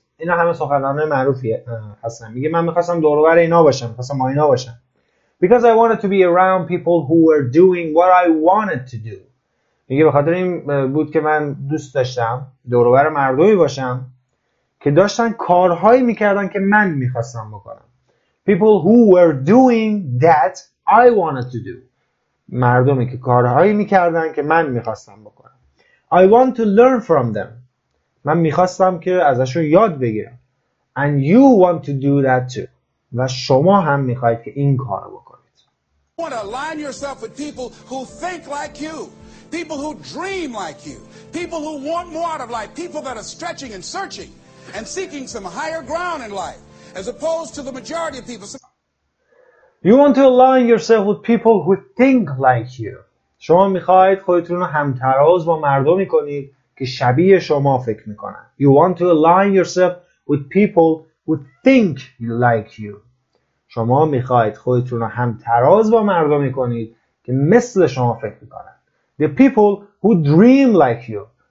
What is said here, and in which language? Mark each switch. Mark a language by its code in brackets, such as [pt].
[fa] اینا همه سخنرانان معروفی هستن. میگه من میخواستم دور و بر اینا باشم، میخواستم با اینا باشم. [en] Because I wanted to be around people who were doing what I wanted to do. [fa] میگه به خاطر این بود که من دوست داشتم دور و بر مردمی باشم که داشتن کارهایی میکردن که من میخواستم بکنم. [en] People who were doing that I wanted to do. [fa] مردمی که کارهایی میکردن که من میخواستم بکنم. [en] I want to learn from them. [fa] من میخواستم که ازشون یاد بگیرم. [en] And you want to do that too. [fa] و شما هم میخواید که این کار رو بکنید. [en] You want to align yourself with people who think like you. People who dream like you. People who want more out of life. People that are stretching and searching and seeking some higher ground in life. As opposed to the majority of people. You want to align yourself with people who think like you. [fa] شما میخواهید خودتون رو همتراز با مردمی کنید که شبیه شما فکر میکنن. [en] You want to align yourself with people who think like you. [fa] شما میخواهید خودتون رو همتراز با مردمی کنید که مثل شما فکر میکنن. [en] The people who dream like you.